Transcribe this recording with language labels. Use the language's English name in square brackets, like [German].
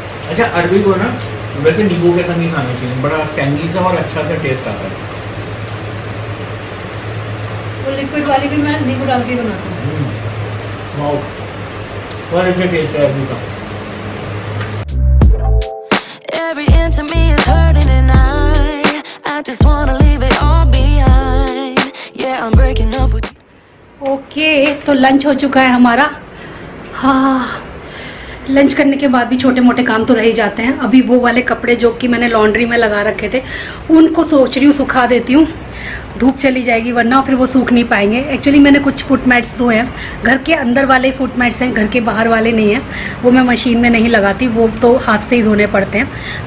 [Hindi] अच्छा अरबी को ना वैसे नींबू के संग ही खाना चाहिए, बड़ा टैंगी सा और अच्छा सा टेस्ट आता है। वो लिक्विड वाली भी मैं नींबू डाल के बनाती हूं। वाओ बहुत अच्छा टेस्ट है अरबी का। [English] Every inch of me is hurting and I just wanna leave it all behind. Yeah, I'm breaking up with you. [Hindi] Okay, तो लंच हो चुका है हमारा। लंच करने के बाद भी छोटे मोटे काम तो रह ही जाते हैं। अभी वो वाले कपड़े जो कि मैंने लॉन्ड्री में लगा रखे थे उनको सोच रही हूँ सुखा देती हूँ, धूप चली जाएगी वरना फिर वो सूख नहीं पाएंगे। एक्चुअली मैंने कुछ फुटमैट्स धोए हैं, घर के अंदर वाले फुटमैट्स हैं, घर के बाहर वाले नहीं हैं, वो मैं मशीन में नहीं लगाती, वो तो हाथ से ही धोने पड़ते हैं।